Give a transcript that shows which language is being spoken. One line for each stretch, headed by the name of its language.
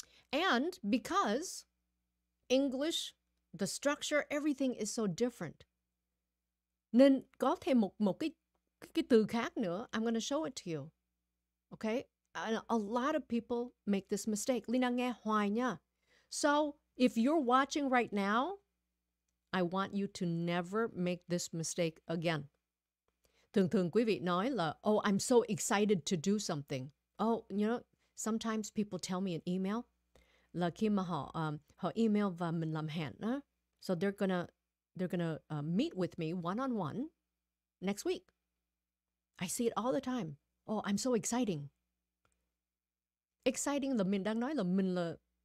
English: And because English, the structure, everything is so different.
Vietnamese: Nên có thêm một cái từ khác nữa.
English: I'm going to show it to you. Okay? And a lot of people make this mistake.
Vietnamese: Lina nghe hoài nha.
English: So if you're watching right now, I want you to never make this mistake again.
Vietnamese: Thường thường quý vị nói là,
English: oh, I'm so excited to do something. Oh, you know, sometimes people tell me an email.
Vietnamese: Là khi mà họ, họ email và mình làm hẹn.
English: So they're gonna meet with me one-on-one. next week. I see it all the time. Oh, I'm so exciting.
Vietnamese: Exciting là mình đang nói là mình là...